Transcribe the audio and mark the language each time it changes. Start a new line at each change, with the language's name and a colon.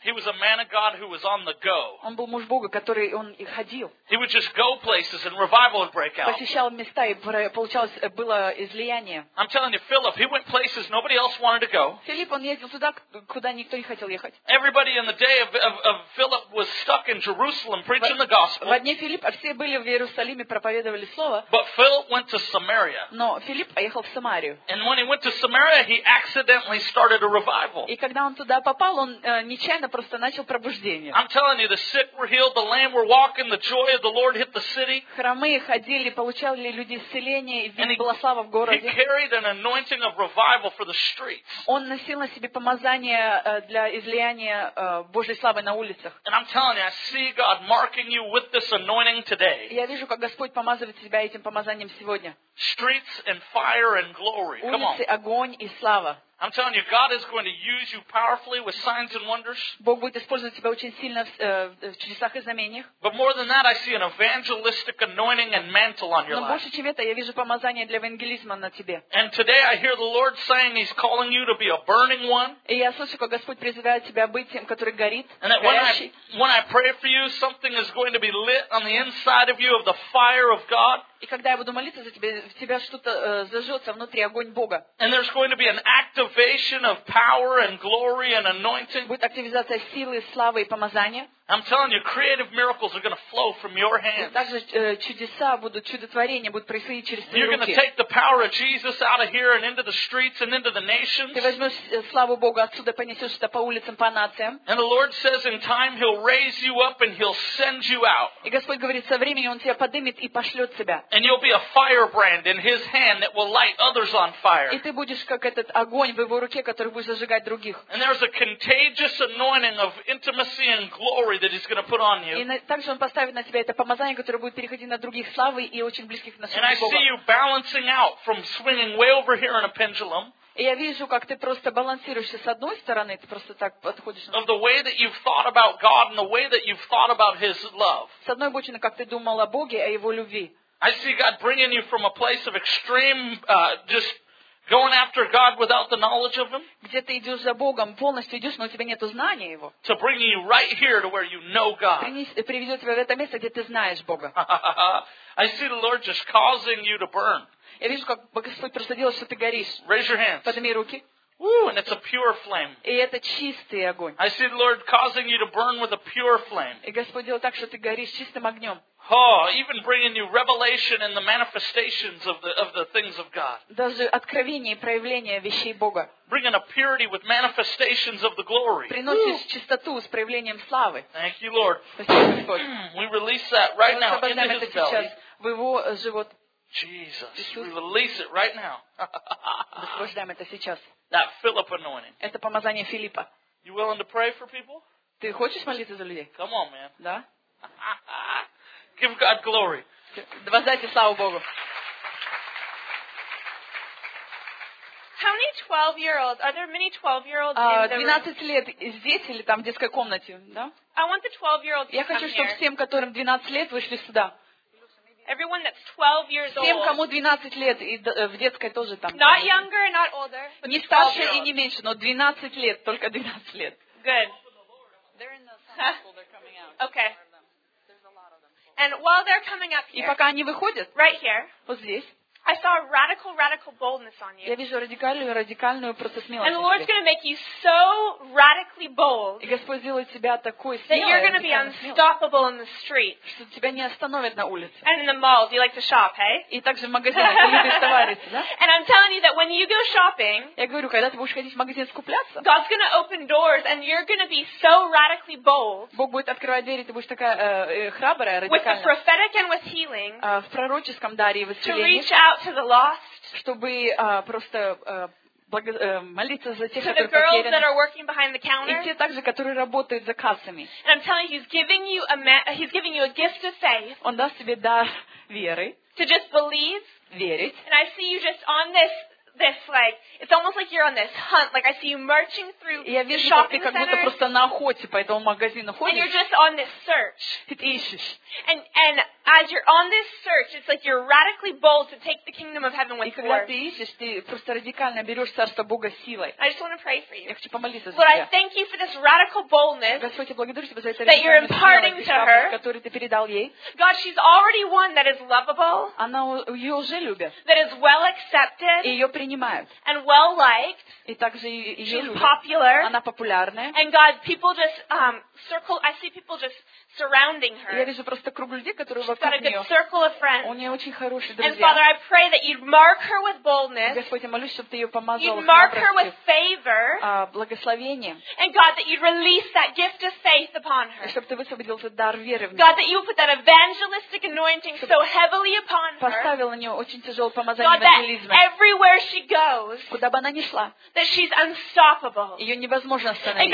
English: He was a man of God who was on the go.
Russian: Он был муж Бога, который он и ходил.
English: He would just go places and revival would break out.
Russian: Посещал места и получалось было излияние.
English: I'm telling you, Philip, he went places nobody else wanted to go.
Russian: Филипп он ездил туда, куда никто не хотел ехать.
English: Everybody in the day of Philip was stuck in Jerusalem preaching the gospel.
Russian: В одни Филипп, а все были в Иерусалиме проповедовали слово.
English: But Philip went to Samaria.
Russian: Но Филипп поехал в Самарию.
English: And when he went to Samaria, he accidentally started a revival.
Russian: И когда он туда попал, он нечаянно просто начал пробуждение.
English: I'm telling you, the sick were healed, the lame were walking, the joy of the Lord hit the city.
Russian: Хромые ходили, получали люди исцеление, и была слава в городе.
English: He carried an anointing of revival for the streets.
Russian: Он носил на себе помазание для излияния Божьей славы на улицах.
English: And I'm telling you, I see God marking you with this anointing today.
Russian: Я вижу, как Господь помазывает тебя этим помазанием сегодня.
English: Streets and fire and glory. Come on.
Russian: Улицы, огонь и слава.
English: I'm telling you, God is going to use you powerfully with signs and wonders.
Russian: Бог будет использовать тебя очень сильно в чудесах и знамениях.
English: But more than that, I see an evangelistic anointing and mantle on your life.
Russian: Но больше чем это, я вижу помазание для евангелизма на тебе.
English: And today I hear the Lord saying He's calling you to be a burning one.
Russian: И я слышу, как Господь призывает тебя быть тем, который горит.
English: And that when I pray for you, something is going to be lit on the inside of you of the fire of God.
Russian: И когда я буду молиться за тебя, в тебя что-то зажжется внутри, огонь Бога.
English: And there's going to be an activation of power and glory and anointing.
Russian: Будет активизация силы, славы и помазания.
English: I'm telling you, creative miracles are going to flow from your hands.
Russian: Также чудеса будут, чудотворения будут происходить через твои руки.
English: You're going to take the power of Jesus out of here and into the streets and into the nations.
Russian: Ты возьмешь славу Бога отсюда, понесешь это по улицам, по нациям.
English: And the Lord says, in time He'll raise you up and He'll send you out.
Russian: И Господь говорит, со временем Он тебя поднимет и пошлет тебя.
English: And you'll be a firebrand in His hand that will light others on fire.
Russian: И ты будешь как этот огонь в Его руке, который будет зажигать других.
English: And there's a contagious anointing of intimacy and glory. glory that he's going to put on you.
Russian: И также он поставит на тебя это помазание, которое будет переходить на других славы и очень близких на Бога.
English: And I see you balancing out from swinging way over here in a pendulum.
Russian: И я вижу, как ты просто балансируешься с одной стороны, ты просто так подходишь.
English: Of the way that you've thought about God and the way that you've thought about His love.
Russian: С одной бочины, как ты думал о Боге, о Его любви.
English: I see God bringing you from a place of extreme, just going after God without the knowledge of Him.
Russian: Где ты идешь за Богом, полностью идешь, но у тебя нет знания Его.
English: To bring you right here to where you know God.
Russian: Приведет тебя в это место, где ты знаешь Бога.
English: I see the Lord just causing you to burn.
Russian: Я вижу, как Господь просто делает, что ты горишь.
English: Raise your hands.
Russian: Подними руки.
English: Ooh, and it's a pure flame.
Russian: И это чистый огонь.
English: I see the Lord causing you to burn with a pure flame.
Russian: И Господь делает так, что ты горишь чистым огнем.
English: Oh, even bringing you revelation and the manifestations of the things of God.
Russian: Даже откровение и проявление вещей Бога.
English: Bringing a purity with manifestations of the glory.
Russian: Приносишь Ooh. Чистоту с проявлением славы.
English: Thank you, Lord.
Russian: Спасибо,
English: we release that right now into His belly.
Russian: Сейчас в его живот.
English: Jesus, we release it right now.
Russian: Освобождаем это сейчас.
English: That Philip anointing.
Russian: Это помазание Филиппа.
English: You willing to pray for people?
Russian: Ты хочешь молиться за людей?
English: Come on, man.
Russian: Да.
English: Give God glory.
Russian: Воздайте славу Богу.
English: How many 12-year-olds? Are there many 12-year-olds in the room?
Russian: 12 лет здесь или там в детской комнате, да?
English: I want the 12-year-olds.
Russian: Я хочу, чтобы всем, которым 12 лет, вышли сюда.
English: Everyone that's 12 years old.
Russian: Всем, кому 12 лет, и в детской тоже там.
English: Not younger, not older.
Russian: Не старше и не меньше, но 12 лет, только 12 лет.
English: Good. They're in the school, they're coming out. Okay. There's a lot of them. And while they're coming up here.
Russian: И пока они выходят.
English: Right here.
Russian: Вот здесь.
English: I saw a radical boldness on you.
Russian: Я вижу радикальную просто смелость.
English: And the Lord's going to make you so radically bold.
Russian: И Господь сделает тебя такой смелой.
English: That you're going to be unstoppable in the street.
Russian: Что тебя не остановят на улице.
English: And in the mall, do you like to shop, hey?
Russian: И также в магазинах, ты любишь товариться, да?
English: And I'm telling you that when you go shopping.
Russian: Я говорю, когда ты будешь ходить в магазин скупляться.
English: God's going to open doors, and you're going to be so radically bold.
Russian: Бог будет открывать двери, ты будешь такая храбрая, радикальная.
English: With the prophetic and with healing.
Russian: В пророческом даре и в исцелении.
English: To reach out. To the lost,
Russian: чтобы просто молиться за тех, которые потеряны.
English: To the girls that are working behind the counter.
Russian: И те также, которые работают за кассами.
English: And I'm telling you, he's giving you a gift of faith.
Russian: Он даст тебе дар веры.
English: To just believe.
Russian: Верить.
English: And I see you just on this like it's almost like you're on this hunt. Like I see you marching through the shopping center.
Russian: Я вижу, как ты как будто просто на охоте по этому магазину ходишь.
English: And you're just on this search.
Russian: Ты ищешь.
English: And as you're on this search, it's like you're radically bold to take the kingdom of heaven with you.
Russian: И когда ты ищешь, ты просто радикально берешь царство Бога силой.
English: I just want to pray for you.
Russian: Я хочу помолиться за тебя.
English: Lord, I thank you for this radical boldness.
Russian: Господь, я благодарю тебя за это.
English: That you're imparting to her.
Russian: Который ты передал ей.
English: God, she's already one that is lovable.
Russian: Она ее уже любят.
English: That is well accepted.
Russian: Ее принимают.
English: And well liked.
Russian: И также ее любят.
English: She's popular.
Russian: Она популярная.
English: And God, people just circle. I see people just. Surrounding her.
Russian: Я вижу просто круг людей, которые
English: She's
Russian: вокруг
English: got a good
Russian: нее.
English: Circle of friends.
Russian: У нее очень хорошие друзья.
English: And Father, I pray that you'd mark her with boldness.
Russian: Господь, я молюсь, чтобы ты ее помазал.
English: You'd mark her with favor.
Russian: Благословением.
English: And God, that you'd release that gift of faith upon her.
Russian: И чтобы ты высвободил этот дар веры в нее.
English: God, that you put that evangelistic anointing so heavily upon her.
Russian: Поставил на нее очень тяжелое помазание
English: God,
Russian: евангелизма.
English: That everywhere she goes.
Russian: Куда бы она ни шла.
English: That she's unstoppable.
Russian: Ее невозможно остановить.